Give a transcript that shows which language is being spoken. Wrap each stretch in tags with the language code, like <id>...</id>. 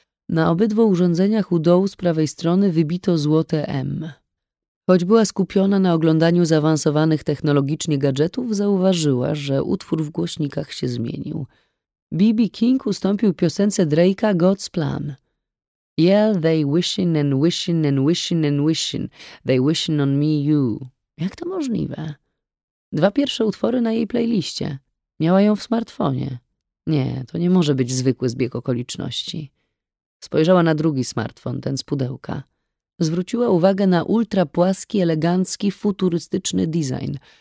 <pl>Na obydwu urządzeniach u dołu z prawej strony wybito złote M. Choć była skupiona na oglądaniu zaawansowanych technologicznie gadżetów, zauważyła, że utwór w głośnikach się zmienił. B.B. King ustąpił piosence Drake'a God's Plan.</pl> <en>Yeah, they wishing and wishing and wishing and wishing. They wishing on me, you.</en> <pl>Jak to możliwe? Dwa pierwsze utwory na jej playliście. Miała ją w smartfonie. Nie, to nie może być zwykły zbieg okoliczności. Spojrzała na drugi smartfon, ten z pudełka. Zwróciła uwagę na ultrapłaski, elegancki, futurystyczny design.</pl>